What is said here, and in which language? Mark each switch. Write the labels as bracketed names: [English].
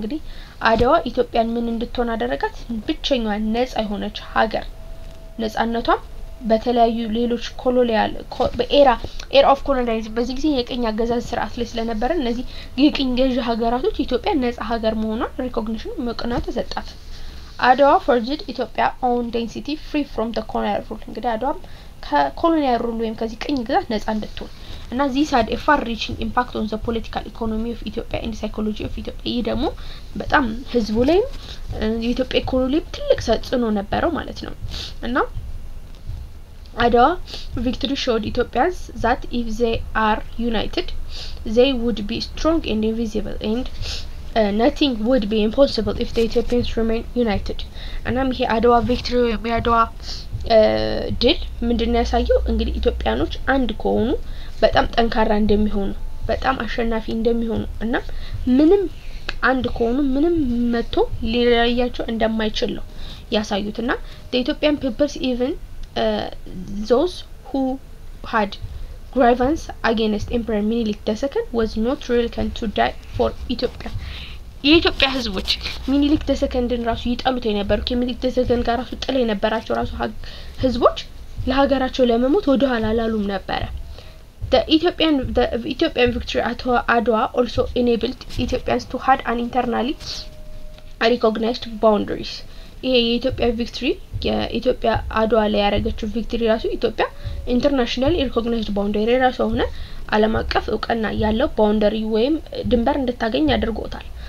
[Amharic] እንግዲህ Adwa ኢትዮጵያን ምን እንድትሆን አደረጋት? ብቸኛዋ ነጻ የሆነች ሀገር ነጻነቷ በተለያዩ ሌሎች ኮሎኒያል [English] በኤራ ኦፍ ኮሎኒያሊዝም [Amharic] በዚህ ጊዜ የቅኝ አገዛዝ ስርዓት ላይ ስለነበረ እነዚህ የቅኝ ገዢ ሀገራቶች ኢትዮጵያ ነጻ ሀገር መሆኗን recognition መቀነት ተሰጣት። [English] Adwa forged Ethiopia's own identity free from the colonial rule. [Amharic] እንግዲህ አድዋ ከኮሎኒያል ሩል ወይም ከዚህ ቅኝ ግዛት ነጻ እንድትሆን እና [English] this had a far reaching impact on the political economy of Ethiopia and the psychology of Ethiopia. [Amharic] ይህ ደግሞ በጣም ህዝቡ ላይም የኢትዮጵያ ኢኮኖሚ ትልቅ ተጽዕኖ ነበረው ማለት ነው። እና [English] Adwa victory showed Ethiopians that if they are united, they would be strong and invisible and nothing would be impossible if the Ethiopians remain united. [Amharic] እናም ይሄ አድዋ ቪክቶሪ ወይ አድዋ ድል ምንድነው ያሳየው? እንግዲህ ኢትዮጵያኖች አንድ ከሆኑ በጣም ጠንካራ እንደሚሆኑ በጣም አሸናፊ እንደሚሆኑ እና ምንም አንድ ከሆኑ ምንም መቶ ሊለያያቸው እንደማይችል ነው ያሳዩትና [English] the Ethiopian peoples even those who had grievance against Emperor Minilik II was not reluctant to die for Ethiopia. [Amharic] የኢትዮጵያ ህዝቦች ሚኒሊክ ተሰከንድን ራሱ ይጠሉት የነበሩ ከሚኒሊክ ተሰከንድ ጋር ራሱ ጥል የነበራቸው ራሱ ህዝቦች ለሀገራቸው ለመሞት ወደ ኋላ አላሉም ነበር. [English] The Ethiopian victory at Adwa also enabled Ethiopians to have an internally recognized boundaries. [Amharic] የኢትዮጵያ ቪክቶሪ የኢትዮጵያ አድዋ ላይ ያረጋችሁ ቪክቶሪ ራሱ ኢትዮጵያ [English] ኢንተርናሽናል ሪኮግናይዝድ ባውንደሪ [Amharic] ራሱ ሆነ ዓለም አቀፍ ዕውቅና ያለው ባውንደሪ ወይም ድንበር እንድታገኝ ያደርጋታል.